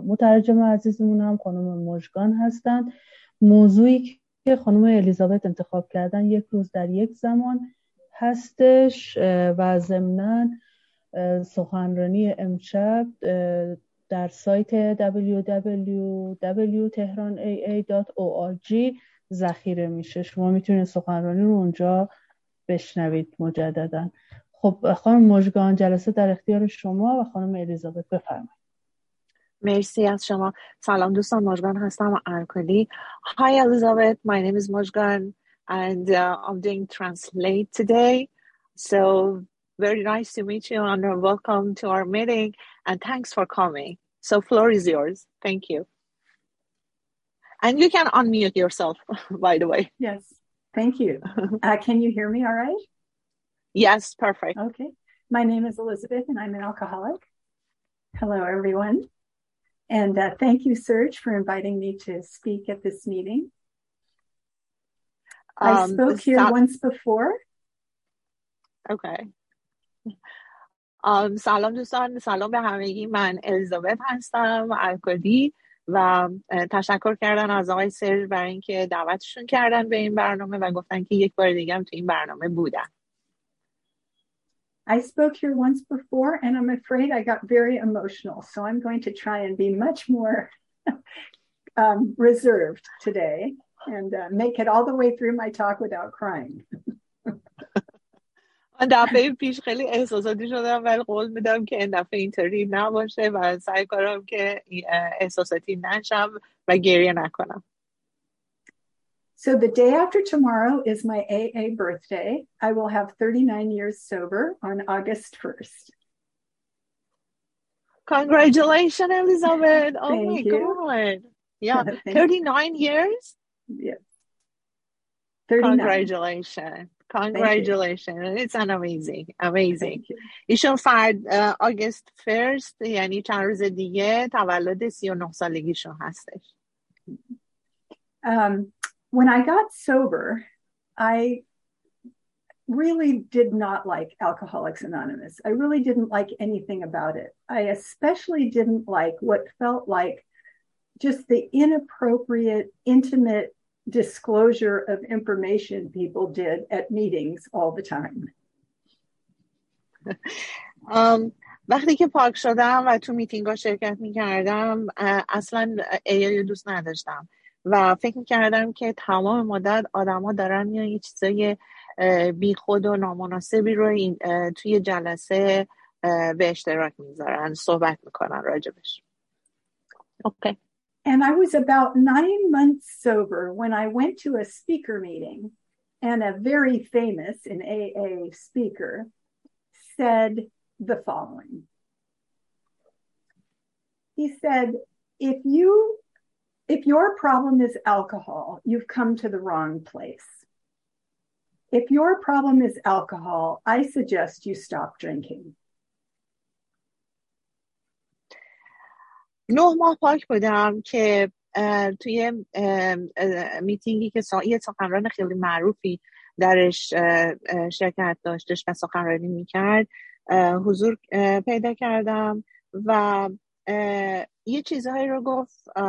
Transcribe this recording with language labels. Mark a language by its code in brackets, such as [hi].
[fa] مترجم عزیزمون هم خانم مژگان هستند. موضوعی که خانم الیزابت انتخاب کردن یک روز در یک زمان هستش و ضمناً سخنرانی امشب در سایت www.tehranaa.org ذخیره میشه. شما میتونید سخنرانی رو اونجا بشنوید مجددا. خب خانم مژگان، جلسه در اختیار شما و خانم الیزابت، بفرمایید. Merci از شما. سلام دوستان، مژگان هستم ارکلی. [en] Hi Elizabeth, my name is Mojgan and I'm doing translate today. So very nice to meet you and welcome to our meeting and thanks for coming. So floor is yours. Thank you. And you can unmute yourself, by the way. Yes, thank you. Can you hear me all right? Yes, perfect. Okay. My name is Elizabeth and I'm an alcoholic. Hello, everyone. And thank you, Serge, for inviting me to speak at this meeting. I spoke here once before. Okay. [fa] سلام دوستان، سلام به همگی. من الیزابت هستم، الکلی، و تشکر کردن از آقای سرژ برای اینکه دعوتشون کردن به این برنامه و گفتن که یک بار دیگه هم تو این برنامه بودن. [en] I spoke here once before and I'm afraid I got very emotional, so I'm going to try and be much more reserved today and make it all the way through my talk without crying. [fa] من دفعه پیش خیلی احساساتی شدم، ولی قول میدم که این دفعه اینطوری نباشه و سعی کنم که احساساتی نشم و گریه نکنم. [en] So the day after tomorrow is my AA birthday. I will have 39 years sober on August 1st. Congratulations, Elizabeth. Oh my God. Yeah, 39 years? Yes. 39. Congratulations. It's an amazing. [fa] ایشون فرد آگست 1st یعنی چند روز دیگه تولد 39 سالگیشون هستش. [en] When I got sober, I really did not like Alcoholics Anonymous. I really didn't like anything about it. I especially didn't like what felt like just the inappropriate, intimate disclosure of information people did at meetings all the time. [fa] وقتی که پاک شدم و تو میتینگ ها شرکت میکردم اصلا ایای دوست نداشتم و فکر میکردم که تمام مدت آدم ها دارن میان یه چیزای بی خود و نامناسبی رو این توی جلسه به اشتراک میذارن، صحبت میکنن راجبش. اوکی. [en] And I was about 9 months sober when I went to a speaker meeting and a very famous in AA speaker said the following. He said, if your problem is alcohol, you've come to the wrong place. If your problem is alcohol, I suggest you stop drinking. [fa] 9 ماه پاک بودم که توی میتینگی که یه سخنران خیلی معروفی درش شرکت داشتش و سخنرانی میکرد حضور پیدا کردم و یه چیزهایی رو گفت.